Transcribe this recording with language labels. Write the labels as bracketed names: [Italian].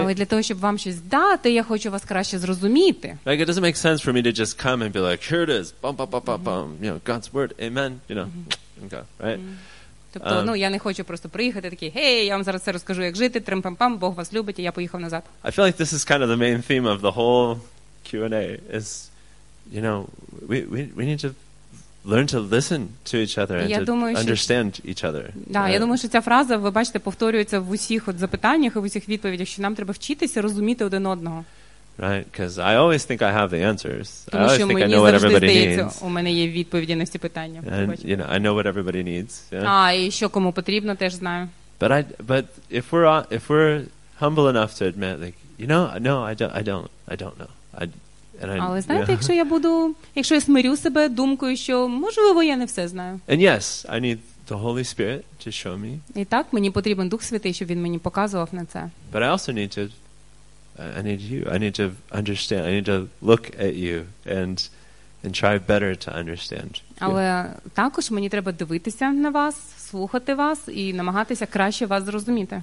[Ukrainian] Але для того, щоб вам щось дати, я хочу вас краще зрозуміти. [English] Like, it doesn't make sense for me to just come and be like, here it is, bum, bum, bum, bum, bum, you know, God's word, amen, you know, mm-hmm. Okay, right? Mm-hmm. [Ukrainian] Тобто, я не хочу просто приїхати такий, hey, я вам зараз все розкажу, як жити, трим-пам-пам, Бог вас любить, і я поїхав назад. [English] I feel like this is kind of the main theme of the whole Q&A, is, you know, we need to learn to listen to each other and understand each other. [Ukrainian] Да, я думаю, що ця фраза, ви бачите, повторюється в усіх от запитаннях і в усіх відповідях, що нам треба вчитися розуміти один одного. [English] Right, cuz I always think I have the answers. [Ukrainian] Тому що мені завжди здається, у мене є відповіді на всі питання. [English] And, you know, I know what everybody needs. [Ukrainian] І що кому потрібно, теж знаю. [English] But if we're humble enough to admit, like, you know, no, I don't know. [Ukrainian] Але знаєте, якщо я смирю себе думкою, що можливо я не все знаю. [English] And yes, I need the Holy Spirit to show me. [Ukrainian] І так, мені потрібен Дух Святий, щоб він мені показував на це. [English] But I also need you. I need to understand. I need to look at you and try better to understand. [Ukrainian] Але також мені треба дивитися на вас, слухати вас і намагатися краще вас зрозуміти.